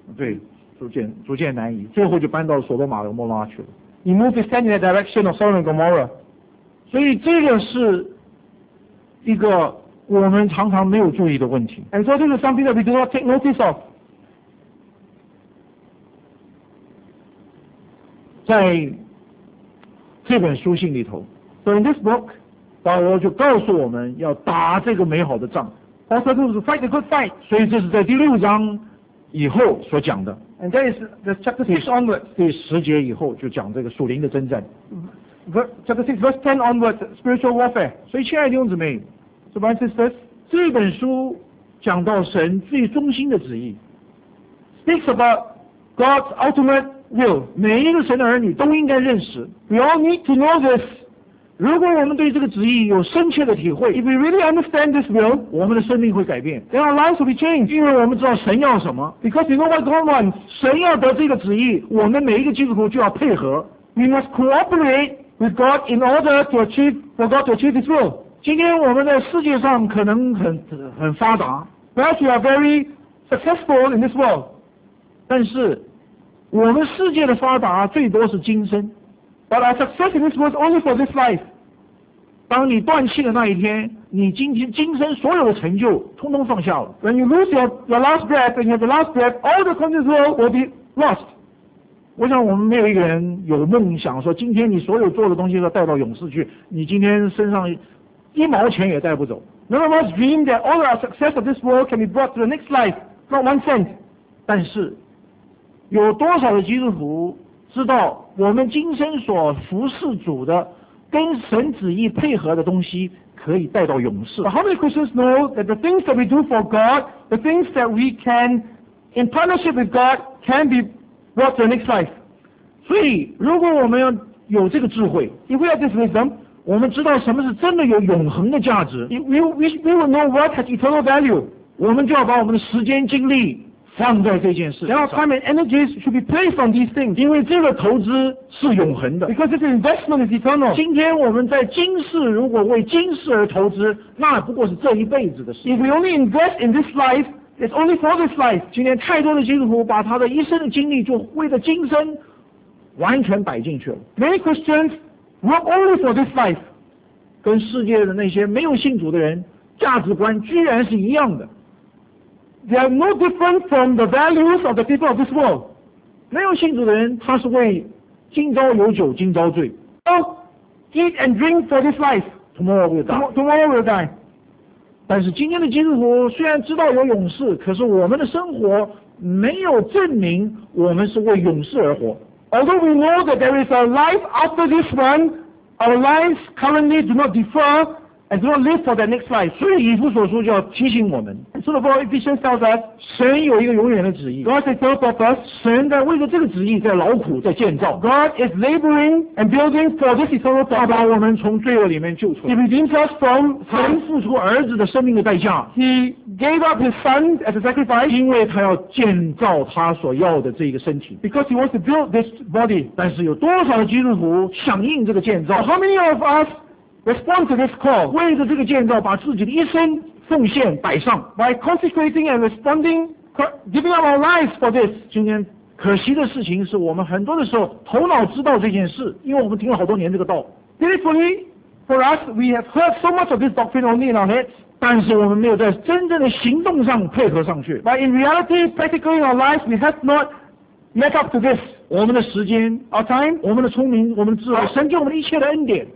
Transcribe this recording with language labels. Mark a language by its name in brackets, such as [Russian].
[Chinese] 对，逐渐南移，最后就搬到索多玛和摩拉去了。 [English] He moved his tent in the direction of Sodom and Gomorrah. [Chinese] 所以这个是一个我们常常没有注意的问题。 [English] And so this is something that we do not take notice of. [Chinese] 在这本书信里头 [English] So in this book, [Chinese] 保罗就告诉我们要打这个美好的仗。 [English] Paul said to fight the good fight. [Chinese] 所以这是在第六章以后所讲的。 [English] And that is the chapter 6 onwards. [Chinese] 第十节以后就讲这个属灵的征战。 [English] Chapter 6 verse 10 onwards, spiritual warfare. [Chinese] 所以亲爱的弟兄姊妹 [English] So my sisters, [Chinese] 这本书讲到神最中心的旨意。 [English] Speaks about God's ultimate will. [Chinese] 每一个神的儿女都应该认识。 [English] We all need to know this. [Chinese] 如果我们对这个旨意有深切的体会 [English] If we really understand this will [Chinese] 我们的生命会改变 [English] Then our lives will be changed [Chinese] 因为我们知道神要什么 [English] Because we know what God wants [Chinese] 神要得这个旨意我们每一个基督徒就要配合 [English] We must cooperate with God in order to achieve for God to achieve this will [Chinese] 今天我们在世界上可能很发达 [English] Perhaps we are very successful in this world [Chinese] 但是我们世界的发达最多是今生 [English] But our success in this world is only for this life. [Chinese] 当你断气的那一天，你今生所有的成就通通放下了。 [English] When you lose your last breath, when you have the last breath, all the things in this world will be lost. [Chinese] 我想我们没有一个人有梦想说，今天你所有做的东西都带到永世去，你今天身上一毛钱也带不走。 [English] None of us dream that all our success of this world can be brought to the next life, not one cent. [Chinese] 但是，有多少的基督徒？知道我们今生所服侍主的跟神旨意配合的东西可以带到永世 [English] But how many Christians know that the things that we do for God the things that we can in partnership with God can be brought to the next life [Chinese] 所以如果我们有这个智慧 [English] If we have this wisdom [Chinese] 我们知道什么是真的有永恒的价值 [English] We will know what has eternal value [Chinese] 我们就要把我们的时间精力放在这件事上 [English] Our time and energies should be placed on these things [Chinese] 因为这个投资是永恒的 [English] Because this investment is eternal [Chinese] 今天我们在今世如果为今世而投资那不过是这一辈子的事 [English] If we only invest in this life it's only for this life [Chinese] 今天太多的基督徒把他的一生的精力就为了今生完全摆进去了 [English] Many Christians work only for this life [Chinese] 跟世界的那些没有信主的人价值观居然是一样的 [English] They are no different from the values of the people of this world. [Chinese] 没有信主的人，他是为今朝有酒今朝醉。 [English] Oh, eat and drink for this life. Tomorrow will die. Tomorrow will die. [Chinese] 但是今天的基督徒虽然知道有永世，可是我们的生活没有证明我们是为永世而活。 [English] Although we know that there is a life after this one, our lives currently do not differ. And do not live for that next life. [Chinese] 所以以弗所书就要提醒我们。 [English] So the book of Ephesians tells us, [Chinese] 神有一个永远的旨意。 [English] God has a purpose. [Chinese] 神在为着这个旨意在劳苦在建造。 [English] God is laboring and building for this eternal purpose. [Chinese] 他把我们从罪恶里面救出来。 [English] He redeems us from [Chinese] 他付出儿子的生命的代价。 [English] He gave up his son as a sacrifice. [Chinese] 因为他要建造他所要的这个身体。 [English] Because he wants to build this body. [Chinese] 但是有多少的基督徒响应这个建造 [English] ？How many of us? Respond to this call, [Chinese] 为着这个建造，把自己的一生奉献摆上。 [English] By consecrating and responding, giving up our lives for this. [Chinese] 今天可惜的事情是我们很多的时候头脑知道这件事，因为我们听了好多年这个道。 [English] Thankfully, for us, we have heard so much of this doctrine only in our heads. [Chinese] 但是我们没有在真正的行动上配合上去。 [English] But in reality, practically in our lives, we have not met up to this. [Chinese] 我们的时间 [English] our time [Chinese] 我们的聪明我们的智慧神给我们一切的恩典